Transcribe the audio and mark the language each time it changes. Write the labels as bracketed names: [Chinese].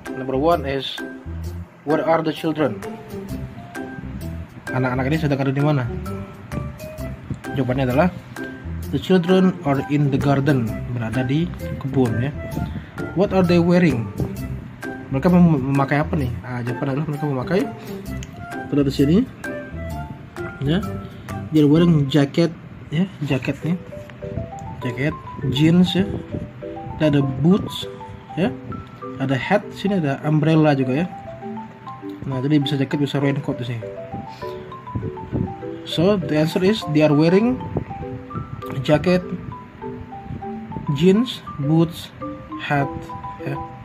[English] Number 1 is where are the children? [Indonesian] Anak-anak ini sedang ada di mana? Jawabannya adalah [English] the children are in the garden, [Indonesian] berada di kebun ya. [English] What are they wearing? [Indonesian] Mereka memakai apa nih? Ah, jawabannya adalah mereka memakai pada di sini ya. [English] They're wearing jacket ya, jacket nih. [Indonesian] Jacket, jeans ya. Dan ada boots ya. Ada hat sini, ada umbrella juga ya. Nah, jadi bisa jaket bisa raincoat di sini. [English] So, the answer is they are wearing jacket, jeans, boots, hat ya.